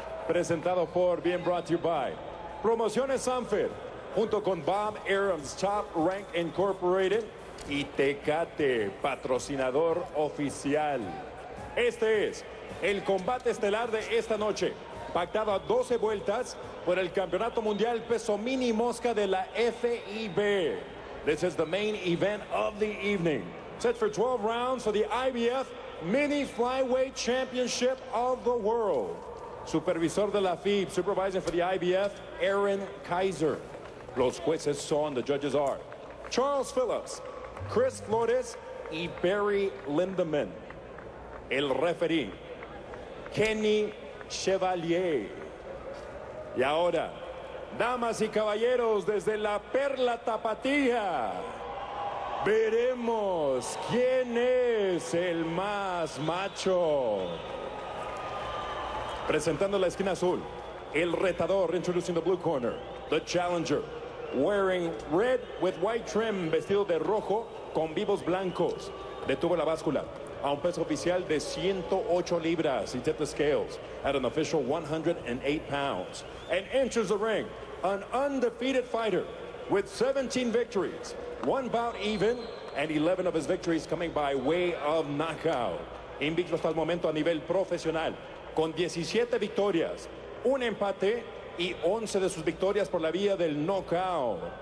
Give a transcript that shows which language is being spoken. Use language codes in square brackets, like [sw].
[es] Presentado por, bien [en] brought to you by, [es] Promociones Sanfer, junto con Bob Arum's Top Rank Incorporated. Y Tecate, patrocinador oficial. Este es el combate estelar de esta noche, pactado a 12 vueltas por el Campeonato Mundial Peso Mini Mosca de la FIB. [en] This is the main event of the evening. Set for 12 rounds for the IBF Mini Flyweight Championship of the World. [es] Supervisor de la FIB, [en] supervisor for the IBF, [es] Aaron Kaiser. Los jueces son, [en] the judges are, [es] Charles Phillips, Chris Flores y Barry Lindemann. El referee, Kenny Chevalier. Y ahora, damas y caballeros, desde la Perla Tapatía, veremos quién es el más macho. Presentando la esquina azul, el retador, [en] introducing the blue corner, the challenger, wearing red with white trim, [es] vestido de rojo con vivos blancos. Detuvo la báscula a un peso oficial de 108 libras. [en] He tipped the scales at an official 108 pounds. And enters the ring, an undefeated fighter with 17 victories, one bout even, and 11 of his victories coming by way of knockout. [es] Invicto hasta el momento a nivel profesional, con 17 victorias, un empate y 11 de sus victorias por la vía del knockout.